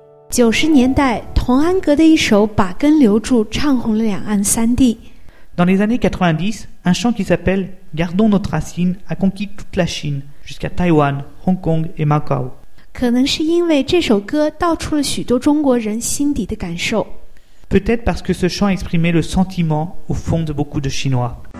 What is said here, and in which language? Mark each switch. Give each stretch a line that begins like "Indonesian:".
Chinese: 九十年代，童安格的一首《把根留住》唱红了两岸三地。
French: Dans les années 90, un chant qui s'appelle Gardons nos racines a conquis toute la Chine, jusqu'à Taïwan, Hong Kong et Macao.
Chinese: 可能是因为这首歌道出了许多中国人心底的感受。
French: Peut-être parce que ce chant exprimait le sentiment au fond de beaucoup de Chinois.